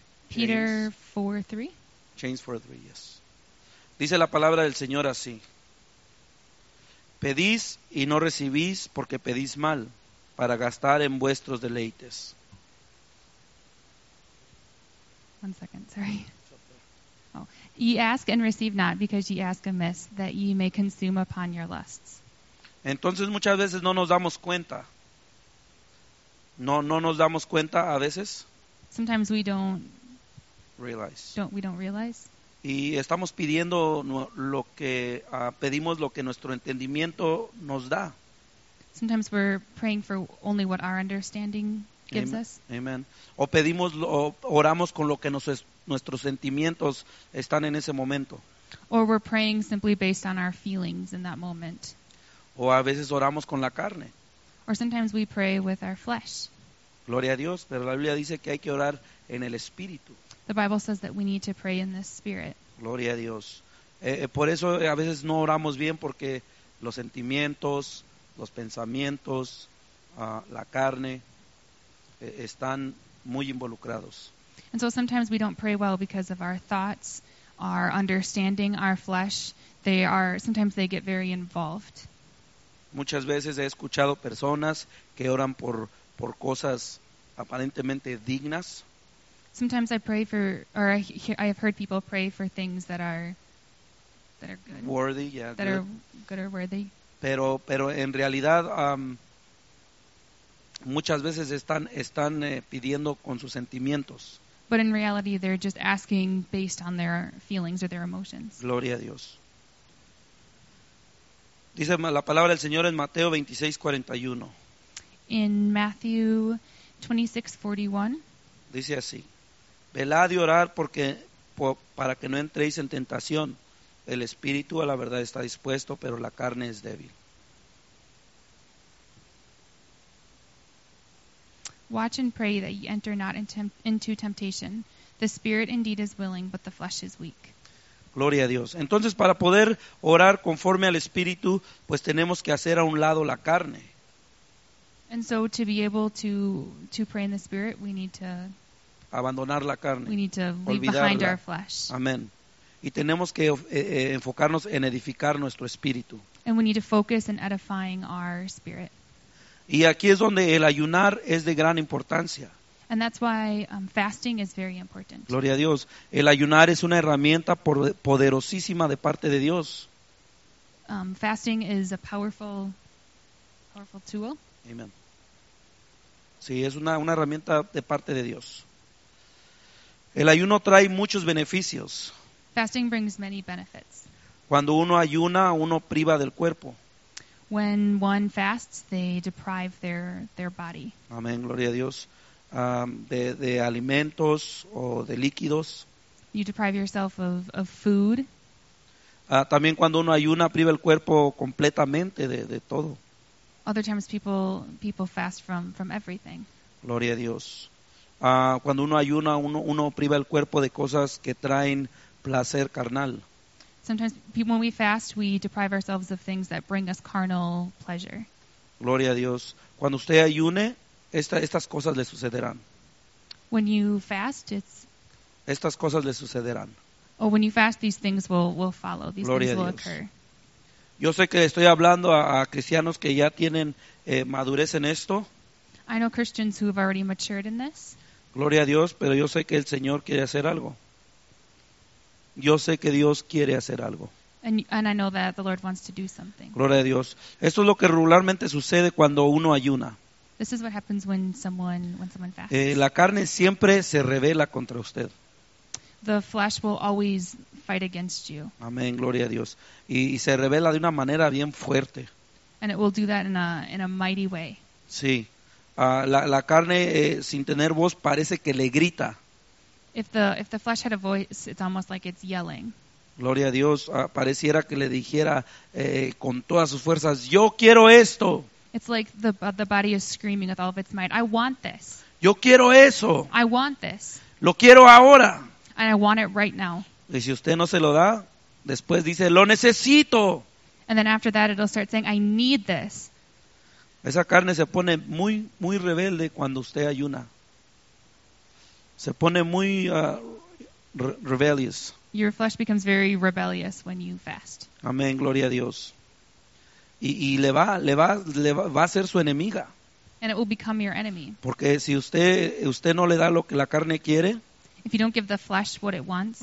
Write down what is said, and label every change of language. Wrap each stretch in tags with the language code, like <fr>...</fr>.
<en>Peter 4:3. James 4:3, yes.</en> <es>Dice la palabra del Señor así: pedís y no recibís porque pedís mal, para gastar en vuestros deleites.</es> <en>One second, sorry. Oh. Ye ask and receive not, because ye ask amiss, that ye may consume upon your lusts.</en> <es>Entonces muchas veces no nos damos cuenta. No nos damos cuenta a veces.</es> <en>Sometimes we don't realize. We don't realize.</en> <es>Y estamos pidiendo lo que pedimos, lo que nuestro entendimiento nos da.</es> <en>Sometimes we're praying for only what our understanding gives us. Amen.</en> <es>O pedimos, o oramos con lo que nuestros sentimientos están en ese momento.</es> <en>Or we're praying simply based on our feelings in that moment.</en> <es>O a veces oramos con la carne.</es> <en>Or sometimes we pray with our flesh.</en> <es>Gloria a Dios, pero la Biblia dice que hay que orar en el Espíritu.</es> <en>The Bible says that we need to pray in the Spirit.</en> <es>Gloria a Dios. Por eso a veces no oramos bien, porque los sentimientos, los pensamientos, la carne, están muy involucrados.</es> <en>And so sometimes we don't pray well because of our thoughts, our understanding, our flesh. Sometimes they get very involved.</en> <es>Muchas veces he escuchado personas que oran por cosas aparentemente dignas.</es> <en>Sometimes I pray for, or I have heard people pray for things that are good. Worthy, yeah. That are good or worthy.</en> <es>Pero en realidad, muchas veces están pidiendo con sus sentimientos.</es> <en>But in reality, they're just asking based on their feelings or their emotions.</en> <es>Gloria a Dios. Dice la palabra del Señor en Mateo 26:41.</es> <en>In Matthew 26:41.</en> <es>Dice así: velad y orad para que no entréis en tentación. El espíritu a la verdad está dispuesto, pero la carne es débil.</es> <en>Watch and pray that ye enter not into temptation. The spirit indeed is willing, but the flesh is weak.</en> <es>Gloria a Dios. Entonces, para poder orar conforme al Espíritu, pues tenemos que hacer a un lado la carne.</es> <en>And so to be able to pray in the Spirit, we need to</en> <es>abandonar la carne.</es> <en>We need to</en> <es>olvidarla.</es> <en>Leave behind our flesh.</en> <es>Amén. Y tenemos que enfocarnos en edificar nuestro espíritu.</es> <en>And we need to focus in edifying our spirit.</en> <es>Y aquí es donde el ayunar es de gran importancia.</es> <en>And that's why fasting is very important.</en> <es>Gloria a Dios. El ayunar es una herramienta poderosísima de parte de Dios.</es> <en>Fasting is a powerful tool. Amen.</en> <es>Sí, es una herramienta de parte de Dios. El ayuno trae muchos beneficios.</es> <en>Fasting brings many benefits.</en> <es>Cuando uno ayuna, uno priva del cuerpo.</es> <en>When one fasts, they deprive their body.</en> <es>Amén, gloria a Dios. De alimentos o de líquidos.</es> <en>You deprive yourself of food.</en> <es>También cuando uno ayuna, priva el cuerpo completamente de todo.</es> <en>Other times people fast from everything.</en> <es>Gloria a Dios. Cuando uno ayuna, uno priva el cuerpo de cosas que traen placer carnal.</es> <en>Sometimes people, when we fast, we deprive ourselves of things that bring us carnal pleasure.</en> <es>Gloria a Dios. Cuando usted ayune, estas cosas le sucederán.</es> <en>When you fast, it's</en> <es>estas cosas le sucederán.</es> <en>Or when you fast, these things will follow. These</en> <es>Gloria</es> <en>things</en> <es>a Dios.</es> <en>Will occur.</en> <es>Yo sé que estoy hablando a cristianos que ya tienen madurez en esto.</es> <en>I know Christians who have already matured in this.</en> <es>Gloria a Dios, pero yo sé que el Señor quiere hacer algo. Yo sé que Dios quiere hacer algo.</es> <en>And I know that the Lord wants to do something.</en> <es>Gloria a Dios. Esto es lo que regularmente sucede cuando uno ayuna.</es> <en>This is what happens when someone fasts.</en> <es>La carne siempre se revela contra usted.</es> <en>The flesh will always fight against you.</en> <es>Amén, gloria a Dios. Y se revela de una manera bien fuerte.</es> <en>And it will do that in a mighty way.</en> <es>Sí. La carne sin tener voz parece que le grita.</es> <en>If the flesh had a voice, it's almost like it's yelling.</en> <es>Gloria a Dios, pareciera que le dijera con todas sus fuerzas, yo quiero esto.</es> <en>It's like the body is screaming with all of its might, I want this.</en> <es>Yo quiero eso.</es> <en>I want this.</en> <es>Lo quiero ahora.</es> <en>And I want it right now.</en> <es>Y si usted no se lo da, después dice, lo necesito.</es> <en>And then after that it'll start saying, I need this.</en> <es>Esa carne se pone muy, muy rebelde cuando usted ayuna. Se pone muy</es> <en>rebellious. Your flesh becomes very rebellious when you fast.</en> <es>Amén, gloria a Dios. Y le va a ser su enemiga.</es> <en>And it will become your enemy.</en> <es>Porque si usted no le da lo que la carne quiere,</es> <en>if you don't give the flesh what it wants,</en>